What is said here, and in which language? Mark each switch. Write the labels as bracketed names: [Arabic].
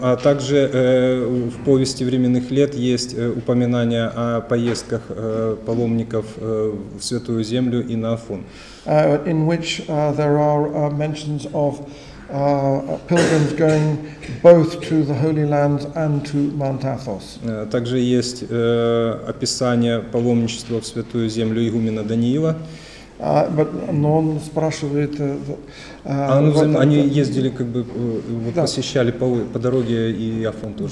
[Russian] А также в повести временных лет есть упоминание о поездках паломников в Святую Землю и на Афон. [English] In which there are mentions of pilgrims going both to the Holy Land and to Mount Athos. [Russian] Также есть описание паломничества в Святую Землю игумена Даниила. [English] But no one [Russian] спрашивает. Они ездили как бы вот, посещали по дороге и Афон тоже.